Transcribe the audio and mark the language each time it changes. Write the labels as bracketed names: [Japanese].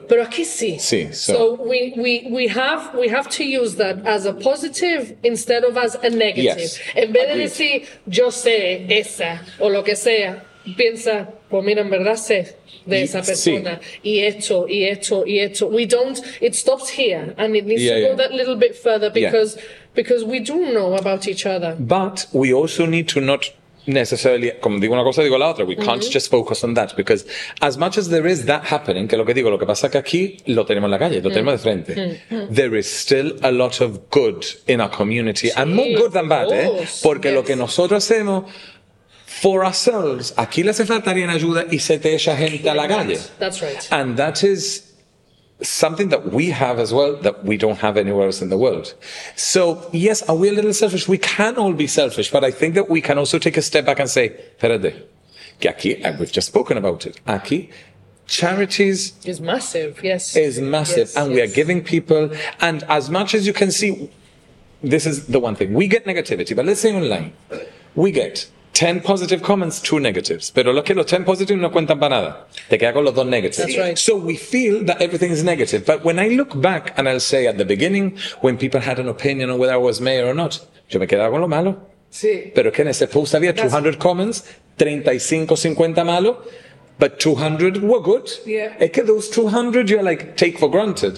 [Spanish] Pero aquí sí. Sí, so. [English] So we have to use that as a positive instead of as a negative. Yes. [Spanish] En vez [English] Agreed. [Spanish] De decir, yo sé esa, o lo que sea, piensa, pues mira, en verdad sé. De esa persona. Sí. Y esto, y esto, y esto. [English] We don't, it stops here. And it needs to go that little bit further because we do know about each other. But we also need to not necessarily, [Spanish] como digo una cosa, digo la otra. [English] We can't just focus on that because as much as there is that happening, [Spanish] que lo que digo, lo que pasa es que aquí lo tenemos en la calle, lo tenemos de frente. [English] There is still a lot of good in our community. [Spanish] Sí, [English] and more good than bad, course. [Spanish] Porque [English] yes. [Spanish] lo que nosotros hacemos, [English] for ourselves, [Spanish] aquí le hace falta alguien ayuda y se te echa gente a la calle. [English] That's right. And that is something that we have as well that we don't have anywhere else in the world. So, yes, are we a little selfish? We can all be selfish, but I think that we can also take a step back and say, [Spanish] espérate, que aquí, [English] and we've just spoken about it, aquí, charities is massive, yes. Is massive, yes, and yes. we are giving people, and as much as you can see, this is the one thing. We get negativity, but let's say online, we get 10 positive comments, 2 negatives. [Spanish] Pero lo que los 10 positive no cuentan para nada. Te quedas con los 2 negatives. [English] That's right. So we feel that everything is negative. But when I look back and I'll say at the beginning, when people had an opinion on whether I was mayor or not, [Spanish] yo me quedaba con lo malo. Sí. Pero que en ese post había 200 comments, 35, 50 malo, [English] but 200 were good. Yeah. [Spanish] Es que [English] those 200 you're like, take for granted.